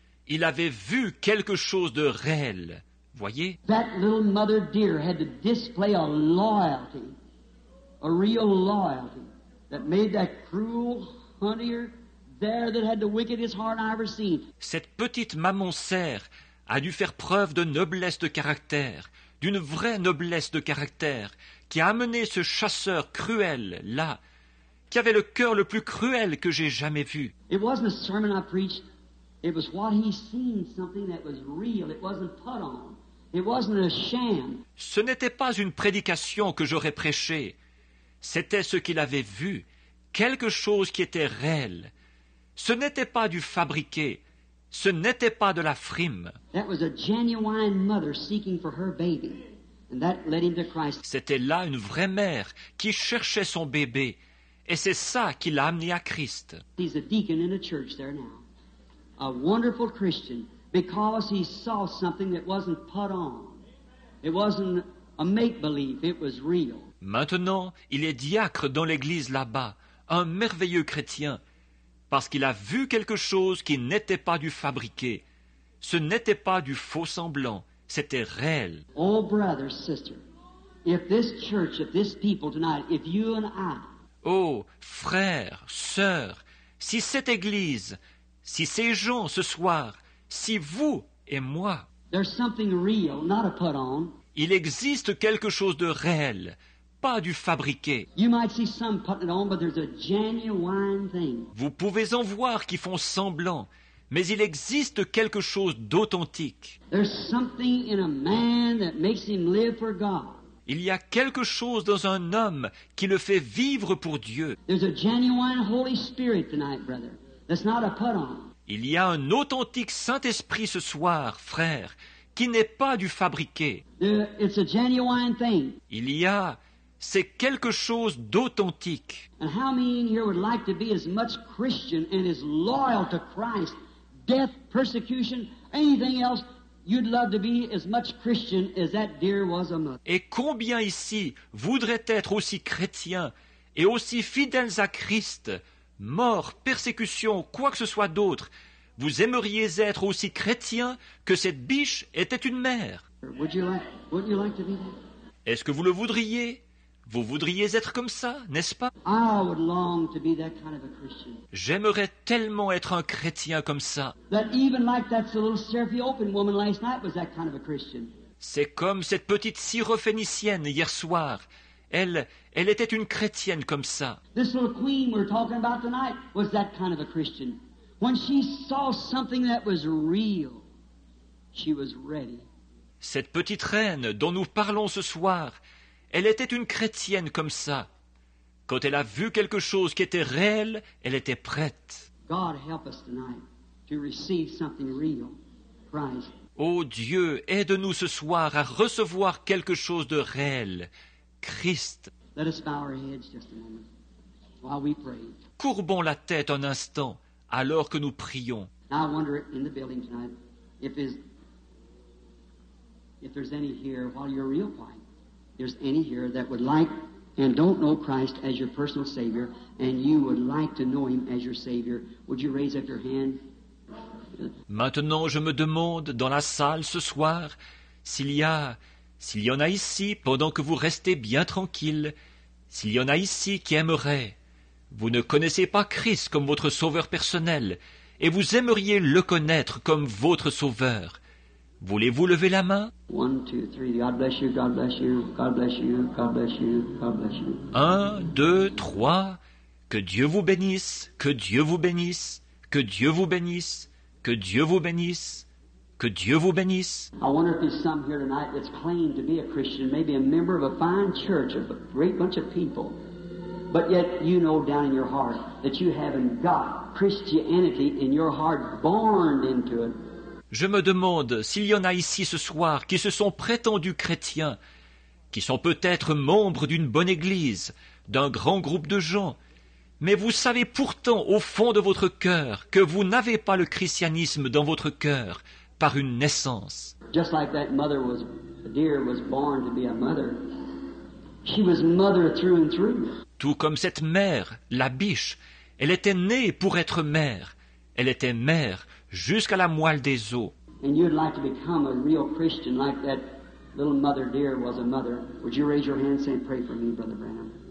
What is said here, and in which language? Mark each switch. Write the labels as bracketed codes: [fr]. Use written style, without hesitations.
[fr] Il avait vu quelque chose de réel. Voyez? [en] That little mother deer had to display a loyalty, a real loyalty, that made that cruel hunter there that had the wickedest heart I ever seen. [fr] Cette petite maman cerf a dû faire preuve de noblesse de caractère, d'une vraie noblesse de caractère, qui a amené ce chasseur cruel là, qui avait le cœur le plus cruel que j'ai jamais vu. [en] It wasn't a sermon I preached. It was what he seen, something that was real. It wasn't put on. It wasn't a sham. [fr] Ce n'était pas une prédication que j'aurais prêchée. C'était ce qu'il avait vu, quelque chose qui était réel. Ce n'était pas du fabriqué. Ce n'était pas de la frime. [en] That was a genuine mother seeking for her baby. And that led him to Christ. [fr] C'était là une vraie mère qui cherchait son bébé, et c'est ça qui l'a amené à Christ. [en] He's a deacon in a church there now, a wonderful Christian, because he saw something that wasn't put on. It wasn't a make-believe. It was real. [fr] Maintenant, il est diacre dans l'église là-bas, un merveilleux chrétien, parce qu'il a vu quelque chose qui n'était pas du fabriqué. Ce n'était pas du faux semblant, c'était réel. [en] Oh, brother, sister, if this church, if this people tonight, if you and I, [fr] oh, frère, sœur, si cette église, si ces gens ce soir, si vous et moi, [en] there's something real, not a put on. [fr] Il existe quelque chose de réel, pas du fabriqué. [en] You might see some putting it on, but there's a genuine thing. [fr] Vous pouvez en voir qui font semblant, mais il existe quelque chose d'authentique. [en] There's something in a man that makes him live for God. [fr] Il y a quelque chose dans un homme qui le fait vivre pour Dieu. [en] There's a genuine Holy Spirit tonight, brother. That's not a put on. [fr] Il y a un authentique Saint-Esprit ce soir, frère, qui n'est pas du fabriqué. [en] It's a genuine thing. [fr] Il y a, c'est quelque chose d'authentique. [en] And how many in here would like to be as much Christian and as loyal to Christ, death, persecution, anything else? You'd love to be as much Christian as that deer was a mother. [fr] Et combien ici voudraient être aussi chrétiens et aussi fidèles à Christ, mort, persécution, quoi que ce soit d'autre, vous aimeriez être aussi chrétien que cette biche était une mère. [en] Would you like to be that? [fr] Est-ce que vous le voudriez? Vous voudriez être comme ça, n'est-ce pas? [en] I would long to be that kind of a Christian. [fr] J'aimerais tellement être un chrétien comme ça. [en] That even like that little Seraphie Open woman last night was that kind of a Christian. [fr] C'est comme cette petite Syrophénicienne hier soir. Elle était une chrétienne comme ça. [en] This little queen we're talking about tonight was that kind of a Christian. When she saw something that was real, she was ready. [fr] Cette petite reine dont nous parlons ce soir, elle était une chrétienne comme ça. Quand elle a vu quelque chose qui était réel, elle était prête. [en] God help us tonight to receive something real, Christ. [fr] Oh Dieu, aide-nous ce soir à recevoir quelque chose de réel, Christ. [en] Let us bow our heads just a moment while we pray. [fr] Courbons la tête un instant alors que nous prions. [en] Now I wonder in the building tonight if there's any here while you're real quiet. There's any here that would like and don't know Christ as your personal Savior, and you would like to know Him as your Savior. Would you raise up your hand? [fr] Maintenant, je me demande dans la salle ce soir s'il y en a ici pendant que vous restez bien tranquille, s'il y en a ici qui aimerait. Vous ne connaissez pas Christ comme votre Sauveur personnel, et vous aimeriez le connaître comme votre Sauveur. Voulez-vous lever la main? [en] 1, 2, 3, God bless you, God bless you, God bless you, God bless you, God bless you. [fr] 1, 2, 3, que Dieu vous bénisse, que Dieu vous bénisse, que Dieu vous bénisse, que Dieu vous bénisse, que Dieu vous bénisse. [en] I wonder if there's some here tonight that's claimed to be a Christian, maybe a member of a fine church, of a great bunch of people, but yet you know down in your heart that you haven't got Christianity in your heart born into it. [fr] Je me demande s'il y en a ici ce soir qui se sont prétendus chrétiens, qui sont peut-être membres d'une bonne église, d'un grand groupe de gens, mais vous savez pourtant au fond de votre cœur que vous n'avez pas le christianisme dans votre cœur par une naissance. [en] Just like that mother was, a deer was born to be a mother. She was mother through and through. [fr] Tout comme cette mère, la biche, elle était née pour être mère. Elle était mère jusqu'à la moelle des os. [en] And you'd like to become a real Christian like that little mother deer was a mother. Would you raise your hand and pray for me, Brother Branham?